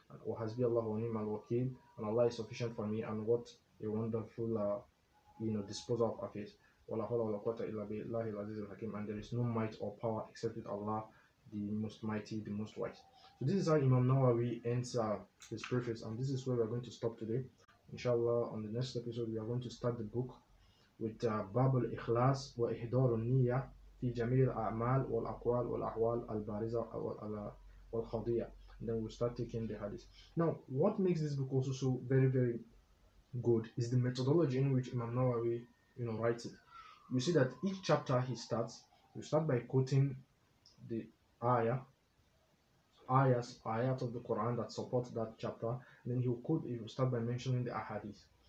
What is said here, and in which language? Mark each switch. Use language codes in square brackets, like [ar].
[en] Wa hasbi Allah wa ni'mal wakeel, and Allah is sufficient for me, and what a wonderful disposal of affairs. Wala hawla wala quwwata illa billahi al-aziz al-hakim, and there is no might or power except with Allah, the most mighty, the most wise. So this is how Imam Nawawi ends his preface, and this is where we are going to stop today. Inshallah, on the next episode we are going to start the book with [ar] باب الإخلاص وإحضار النية في جميع الأعمال والأقوال والأحوال البارزة والخضية. [en] And then we'll start taking the hadith. Now, what makes this book also so very, very good is the methodology in which Imam Nawawi, you know, writes it. You see that each chapter he starts, you start by quoting the ayat of the Quran that support that chapter, and then he will start by mentioning the ahadith.